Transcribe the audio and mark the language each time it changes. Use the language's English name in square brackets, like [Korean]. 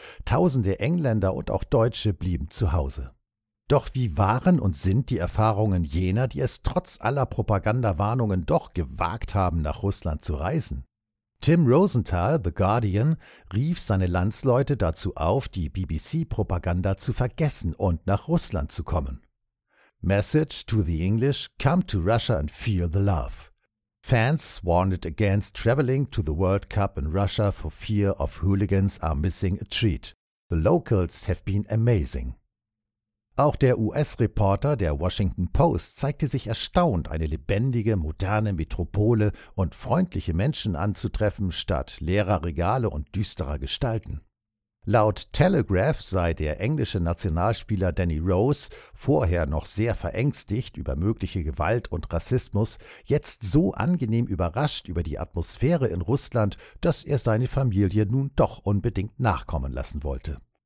[German] Tausende Engländer und auch Deutsche blieben zu Hause. Doch wie waren und sind die Erfahrungen jener, die es trotz aller Propagandawarnungen doch gewagt haben, nach Russland zu reisen? Tim Rosenthal, The Guardian, rief seine Landsleute dazu auf, die BBC-Propaganda zu vergessen und nach Russland zu kommen. [English] Message to the English, come to Russia and feel the love. Fans warned against traveling to the World Cup in Russia for fear of hooligans are missing a treat. The locals have been amazing. [German] Auch der US-Reporter der Washington Post zeigte sich erstaunt, eine lebendige, moderne Metropole und freundliche Menschen anzutreffen statt leerer Regale und düsterer Gestalten. Laut Telegraph sei der englische Nationalspieler Danny Rose, vorher noch sehr verängstigt über mögliche Gewalt und Rassismus, jetzt so angenehm überrascht über die Atmosphäre in Russland, dass er seine Familie nun doch unbedingt nachkommen lassen wollte.